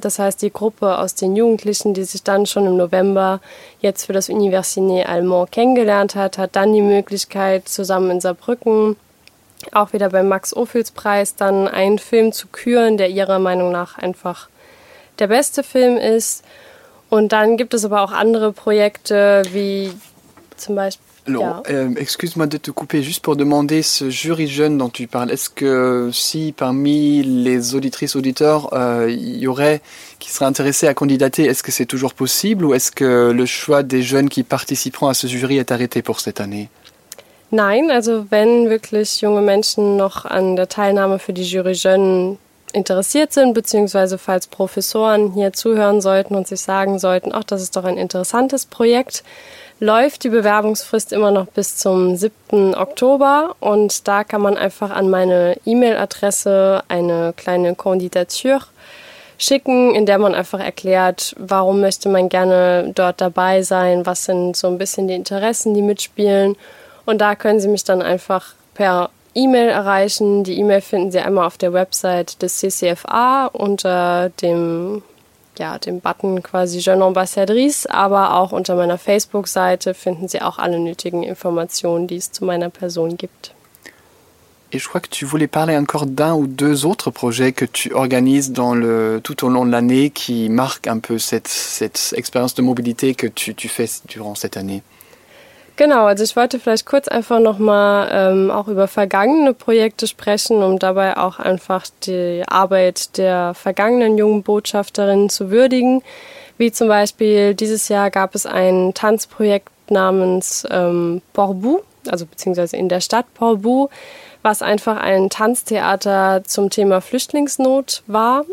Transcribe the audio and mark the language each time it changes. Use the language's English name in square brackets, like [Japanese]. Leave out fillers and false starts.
[German] Das heißt, die Gruppe aus den Jugendlichen, die sich dann schon im November jetzt für das Université Allemand kennengelernt hat, hat dann die Möglichkeit, zusammen in Saarbrücken auch wieder beim Max-Ophüls-Preis dann einen Film zu küren, der ihrer Meinung nach einfach der beste Film ist. Und dann gibt es aber auch andere Projekte, wie zum Beispiel... [French] Alors, excuse-moi de te couper, juste pour demander ce jury jeune dont tu parles, est-ce que si parmi les auditrices, auditeurs, il y aurait, qui seraient intéressés à candidater, est-ce que c'est toujours possible ou est-ce que le choix des jeunes qui participeront à ce jury est arrêté pour cette année? [German] Nein, also wenn wirklich junge Menschen noch an der Teilnahme für die Jury jeune interessiert sind, beziehungsweise falls Professoren hier zuhören sollten und sich sagen sollten, ach, das ist doch ein interessantes Projekt, läuft die Bewerbungsfrist immer noch bis zum 7. Oktober und da kann man einfach an meine E-Mail-Adresse eine kleine Kandidatur schicken, in der man einfach erklärt, warum möchte man gerne dort dabei sein, was sind so ein bisschen die Interessen, die mitspielen und da können Sie mich dann einfach per E-Mail erreichen. Die E-Mail finden Sie einmal auf der Website des CCFA unter dem, ja, dem Button quasi Jeune Ambassadrice, aber auch unter meiner Facebook-Seite finden Sie auch alle nötigen Informationen, die es zu meiner Person gibt. [French] Et je crois que tu voulais parler encore d'un ou deux autres projets que tu organises dans le, tout au long de l'année qui marquent un peu cette expérience de mobilité que tu fais durant cette année. [German] Genau, also ich wollte vielleicht kurz einfach nochmal auch über vergangene Projekte sprechen, um dabei auch einfach die Arbeit der vergangenen jungen Botschafterinnen zu würdigen. Wie zum Beispiel dieses Jahr gab es ein Tanzprojekt namens Porbou, also beziehungsweise in der Stadt Porbou, was einfach ein Tanztheater zum Thema Flüchtlingsnot war.